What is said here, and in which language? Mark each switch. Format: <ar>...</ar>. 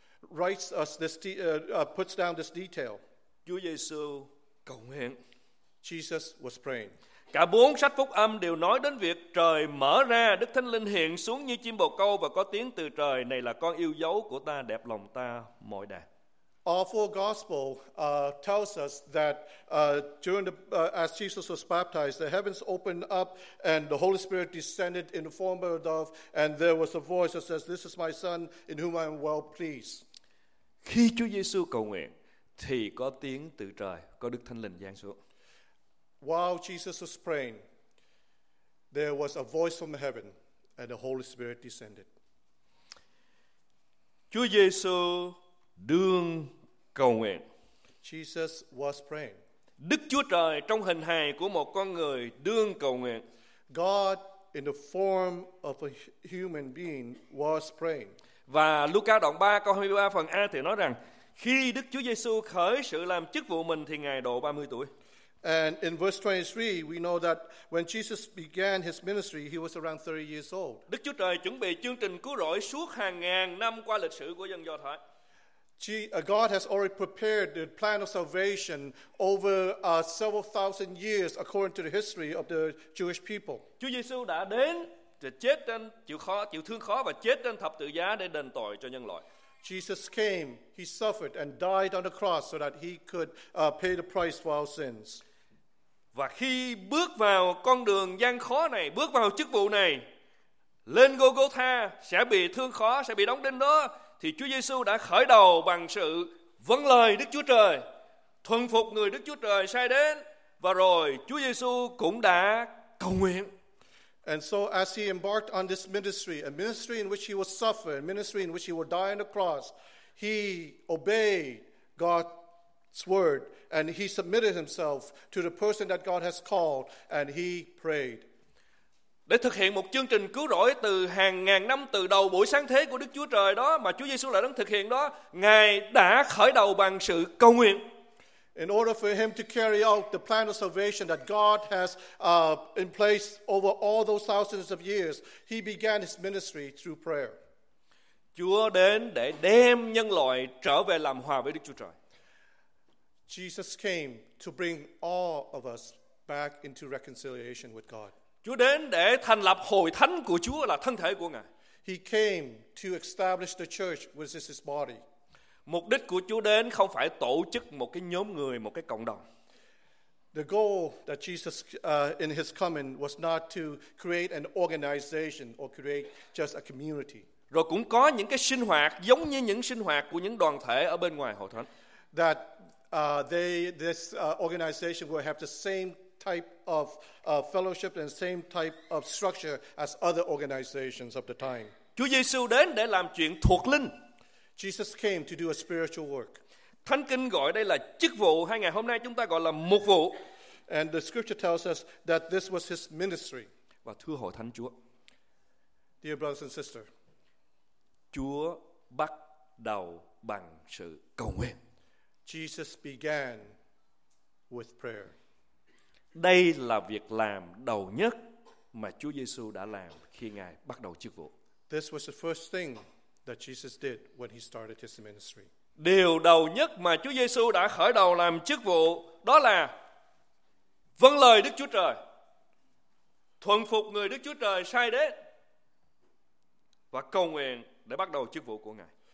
<en>Writes us this, puts down this detail.</en> <vi>Chúa Giêsu cầu nguyện.</vi> <en>Jesus was praying.</en> <vi>Cả bốn sách phúc âm đều nói đến việc trời mở ra, Đức Thánh Linh hiện xuống như chim bồ câu và có tiếng từ trời, này là con yêu dấu của ta, đẹp lòng ta mọi đàn.</vi> <en>All four gospels tells us that during the as Jesus was baptized, the heavens opened up and the Holy Spirit descended in the form of a dove, and there was a voice that says, this is my son in whom I am well pleased.</en> <vi>Khi Chúa Giêsu cầu nguyện thì có tiếng từ trời, có Đức Thánh Linh giáng xuống.</vi> <en>While Jesus was praying, there was a voice from heaven, and the Holy Spirit descended.</en> <vi>Chúa Giêsu đương cầu nguyện.</vi> <en>Jesus was praying.</en> <vi>Đức Chúa Trời trong hình hài của một con người đương cầu nguyện.</vi> <en>God in the form of a human being was praying.</en> <vi>Và Luca đoạn 3 câu 23 phần A thì nói rằng khi Đức Chúa Giêsu khởi sự làm chức vụ mình thì Ngài độ 30 tuổi.</vi> <en>And in verse 23, we know that when Jesus began his ministry, he was around 30 years old.</en> <vi>Đức Chúa Trời chuẩn bị chương trình cứu rỗi suốt hàng ngàn năm qua lịch sử của dân Do Thái.</vi> <en>God has already prepared the plan of salvation over several thousand years according to the history of the Jewish people.</en> <vi>Chúa Giêsu đã đến, chết trên chịu thương khó và chết trên thập tự giá để đền tội cho nhân loại.</vi> <en>Jesus came, he suffered and died on the cross so that he could pay the price for our sins.</en> <vi>Và khi bước vào con đường gian khó này, bước vào chức vụ này, lên Golgotha sẽ bị thương khó, sẽ bị đóng đinh đó, thì Chúa Giêsu đã khởi đầu bằng sự vâng lời Đức Chúa Trời, thuần phục người Đức Chúa Trời sai đến, và rồi Chúa Giêsu cũng đã cầu nguyện.</vi> <en>And so as he embarked on this ministry, a ministry in which he would suffer, a ministry in which he would die on the cross, he obeyed God, God's word, and he submitted himself to the person that God has called, and he prayed.</en> <vi>Để thực hiện một chương trình cứu rỗi từ hàng ngàn năm, từ đầu buổi sáng thế của Đức Chúa Trời đó mà Chúa Giêsu lại đang thực hiện đó, Ngài đã khởi đầu bằng sự cầu nguyện.</vi> <en>In order for him to carry out the plan of salvation that God has in place over all those thousands of years, he began his ministry through prayer.</en> <vi>Chúa đến để đem nhân loại trở về làm hòa với Đức Chúa Trời.</vi> <en>Jesus came to bring all of us back into reconciliation with God.</en> <vi>Chúa đến để thành lập hội thánh của Chúa là thân thể của Ngài.</vi> <en>He came to establish the church, which is his body.</en> <vi>Mục đích của Chúa đến không phải tổ chức một cái nhóm người, một cái cộng đồng.</vi> <en>The goal that Jesus in his coming was not to create an organization or create just a community.</en> <vi>Rồi cũng có những cái sinh hoạt giống như những sinh hoạt của những đoàn thể ở bên ngoài hội thánh.</vi> <en>That organization will have the same type of fellowship and same type of structure as other organizations of the time.</en> <vi>Chúa Giêsu đến để làm chuyện thuộc linh.</vi> <en>Jesus came to do a spiritual work.</en> <vi>Thánh Kinh gọi đây là chức vụ, hay ngày hôm nay chúng ta gọi là mục vụ.</vi> <en>And the scripture tells us that this was his ministry.</en> <vi>Và thưa hội thánh Chúa,</vi> <en>dear brothers and sisters,</en> <vi>Chúa bắt đầu bằng sự cầu nguyện.</vi> <en>Jesus began with prayer.</en> <vi>Đây là việc làm đầu nhất mà Chúa Giêsu đã làm khi Ngài bắt đầu chức vụ.</vi> <en>This was the first thing that Jesus did when he started his ministry.</en> <vi>Điều đầu nhất mà Chúa Giêsu đã khởi đầu làm chức vụ đó là vâng lời Đức Chúa Trời, thuận phục người Đức Chúa Trời sai đến và cầu nguyện để bắt đầu chức vụ của Ngài.</vi>